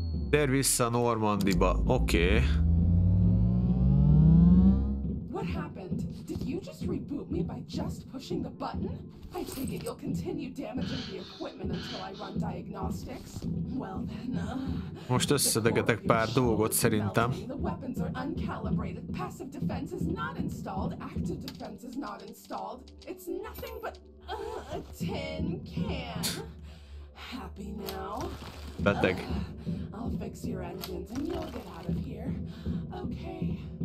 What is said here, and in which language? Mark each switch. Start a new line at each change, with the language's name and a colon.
Hungarian: Tér vissza Normandiba, oké.
English: What happened? Did you just reboot me by just pushing the button? I take it you'll continue damaging the equipment until I run diagnostics. Well then.
Hungarian: Most összedegetek pár dolgot szerintem.
English: The weapons are uncalibrated. Passive defense is not installed. Active defense is not installed. It's nothing but a tin can. Happy now?
Hungarian: Beteg.
English: I'll fix your engines and you'll get out of here. Okay.